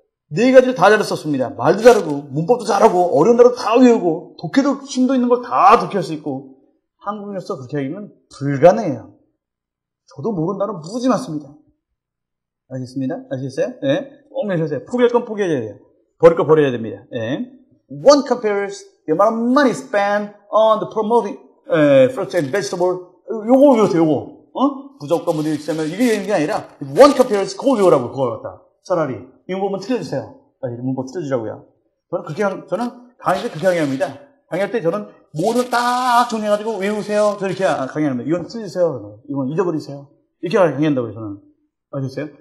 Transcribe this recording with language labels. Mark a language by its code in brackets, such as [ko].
[ko] 네 가지를 다 잘했었습니다. 말도 잘하고, 문법도 잘하고, 어려운 단어 다 외우고, 독해도 힘도 있는 걸 다 독해할 수 있고, 한국에서 그렇게 하기는 불가능해요. 저도 모르는 단어 무지 많습니다. 알겠습니다? 아시겠어요? 예. 네. 꼭 내셔세요. 포기할 건 포기해줘야 돼요. 버릴 건 버려야 됩니다. 예. 네. [en] One compares the amount of money spent on the promoting, fruits and vegetables. [ko] 요거 외우세요, 요거. 어? 부족한 분들이 있으면, 이게 되는 게 아니라, one compares, 그거 외우라고, 그거 갖다. 차라리. 이 문법은 틀려주세요. 아니, 문법 틀려주라고요. 저는 그렇게 하는, 저는 강의할 때 그렇게 강의합니다. 강의할 때 저는 모두 딱 정리해가지고 외우세요. 저는 이렇게 강의합니다. 이건 쓰세요. 이건 잊어버리세요. 이렇게 강의한다고요, 저는. 아셨어요?